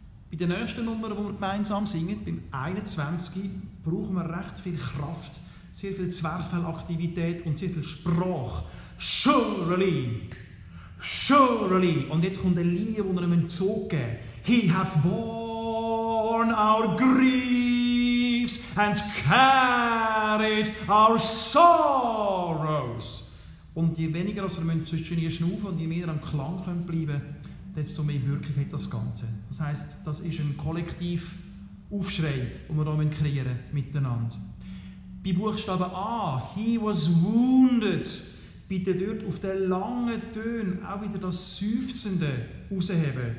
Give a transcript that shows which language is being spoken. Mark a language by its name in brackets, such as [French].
[German] Bei der nächsten Nummer, die wir gemeinsam singen, beim 21. brauchen wir recht viel Kraft, sehr viel Zwerchfellaktivität und sehr viel Sprache. [English] Surely! Surely! [German] Und jetzt kommt eine Linie, die wir ihm entzogen haben. [English] He hath borne our griefs and carried our sorrows. [German] Und je weniger wir zwischen ihr schnaufen und je mehr am Klang können bleiben, desto mehr wirklich hat das Ganze. Das heisst, das ist ein Kollektiv Aufschrei, den wir hier kreieren miteinander. Bei Buchstabe A, [English] he was wounded, [German] bitte dort auf den langen Tönen auch wieder das Seufzende rausheben.